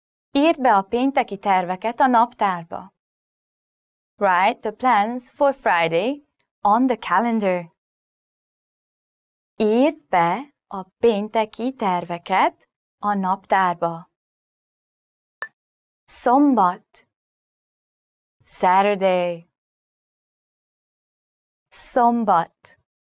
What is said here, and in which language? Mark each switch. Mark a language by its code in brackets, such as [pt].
[hu] Írd be a pénteki terveket a naptárba. [en] Write the plans for Friday on the calendar. [hu] Írd be a pénteki terveket a naptárba. Szombat. [en] Saturday. [hu] Szombat.